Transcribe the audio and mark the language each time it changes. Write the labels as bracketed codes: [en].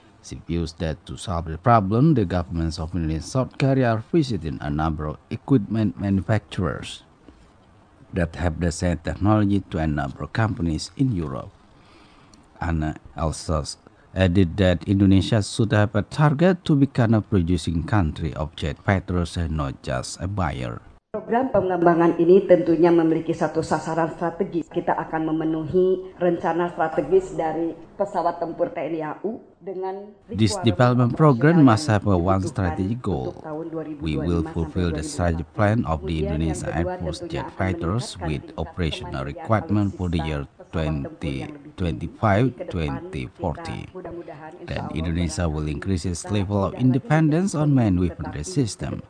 [en] She views that to solve the problem, the governments of Indonesia and South Korea are visiting a number of equipment manufacturers that have the same technology to a number of companies in Europe. Ana also added that Indonesia should have a target to become a producing country of jet fighters and not just a buyer. [id] Program pengembangan ini tentunya memiliki satu sasaran strategis. Kita akan memenuhi rencana strategis dari pesawat tempur TNI AU dengan... [en] This development program must have a one strategic goal. We will fulfill the strategic plan of the Indonesia Air Force jet fighters with operational requirement for the year 2025-2040. Then Indonesia will increase its level of independence on main weapon system.